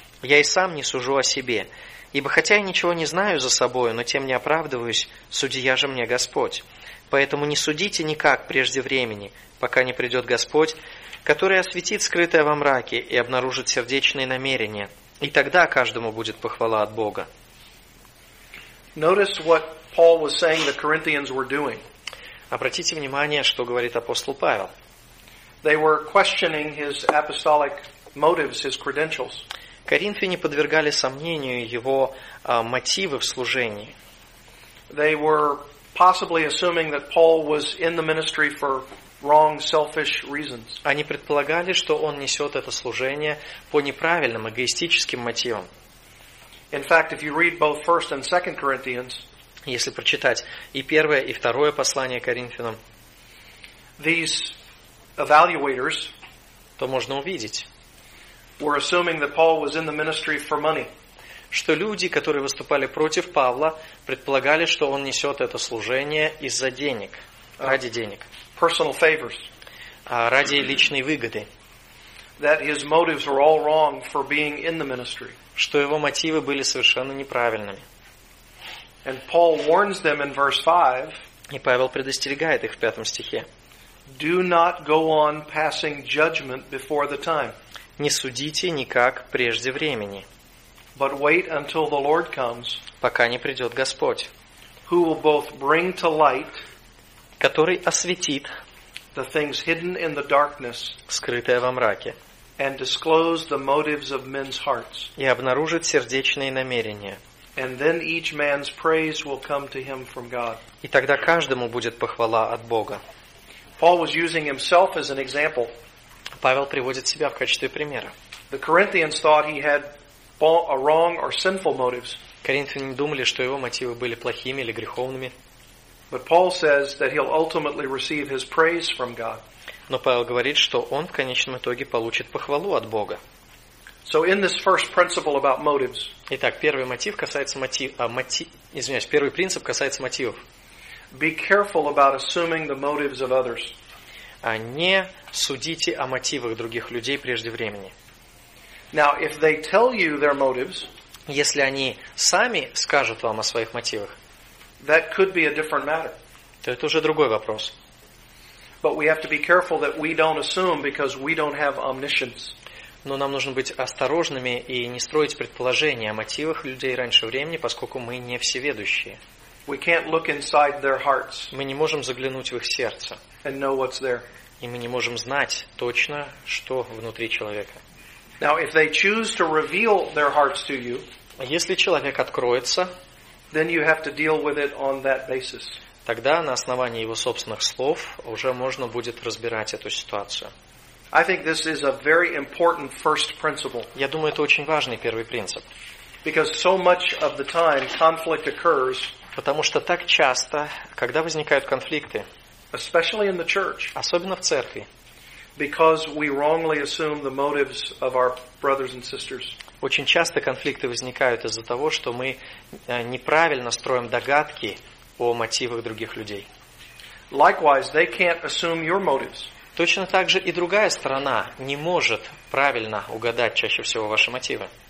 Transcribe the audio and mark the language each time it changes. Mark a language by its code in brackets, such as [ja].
[ru] Я и сам не сужу о себе, ибо хотя я ничего не знаю за собою, но тем не оправдываюсь, судья же мне Господь. Поэтому не судите никак прежде времени, пока не придет Господь, который осветит скрытое во мраке и обнаружит сердечные намерения. И тогда каждому будет похвала от Бога. [en] Notice what Paul was saying the Corinthians were doing. [ru] Обратите внимание, что говорит апостол Павел. [en] They were questioning his apostolic motives, his credentials. [ru] Коринфяне подвергали сомнению его мотивы в служении. [en] They were possibly assuming that Paul was in the ministry for wrong, selfish reasons. [ru] Они предполагали, что он несет это служение по неправильным, эгоистическим мотивам. [en] In fact, if you read both 1 and 2 Corinthians, [ru] если прочитать и первое, и второе послание Коринфянам, [en] these evaluators, [ru] то можно увидеть, [en] were assuming that Paul was in the ministry for money. [ru] Что люди, которые выступали против Павла, предполагали, что он несет это служение из-за денег, ради денег. [en] Personal favors. [ru] Ради личной выгоды. [en] That his motives were all wrong for being in the ministry. [ru] Что его мотивы были совершенно неправильными. [en] And Paul warns them in verse 5. [ru] И Павел предостерегает их в пятом стихе. [en] Do not go on passing judgment before the time. [ru] Не судите никак прежде времени. [en] But wait until the Lord comes, [ru] пока не придет Господь, [en] who will both bring to light, [ru] который осветит, [en] the things hidden in the darkness, [ru] скрытое во мраке, [en] and disclose the motives of men's hearts, [ru] и обнаружит сердечные намерения, [en] and then each man's praise will come to him from God. [ru] И тогда каждому будет похвала от Бога. [en] Paul was using himself as an example. [ru] Павел приводит себя в качестве примера. [en] The Corinthians thought he had wrong or sinful motives. [ru] Коринфяне думали, что его мотивы были плохими или греховными. [en] But Paul says that he'll ultimately receive his praise from God. [ru] Но Павел говорит, что он в конечном итоге получит похвалу от Бога. [en] So in this first principle about motives. [ru] Итак, первый принцип касается мотивов. [en] Be careful about assuming the motives of others. [ru] А не судите о мотивах других людей прежде времени. [en] Now, if they tell you their motives, [ru] если они сами скажут вам о своих мотивах, [en] that could be a different matter. [ru] То это уже другой вопрос. [en] But we have to be careful that we don't assume because we don't have omniscience. [ru] Но нам нужно быть осторожными и не строить предположения о мотивах людей раньше времени, поскольку мы не всеведущие. [en] We can't look inside their hearts. [ru] Мы не можем заглянуть в их сердце. [en] And know what's there. [ru] И мы не можем знать точно, что внутри человека. [en] Now, if they choose to reveal their hearts to you, [ru] если человек откроется, [en] then you have to deal with it on that basis. [ru] Тогда на основании его собственных слов уже можно будет разбирать эту ситуацию. [en] I think this is a very important first principle. [ru] Я думаю, это очень важный первый принцип. [en] Because so much of the time conflict occurs. [ru] Потому что так часто, когда возникают конфликты, [en] especially in the church, [ru] особенно в церкви, [en] because we wrongly assume the motives of our brothers and sisters. [ru] Очень часто конфликты возникают из-за того, что мы неправильно строим догадки о мотивах других людей. [en] Likewise, they can't assume your motives. [ru] Точно так же и другая сторона не может правильно угадать чаще всего ваши мотивы.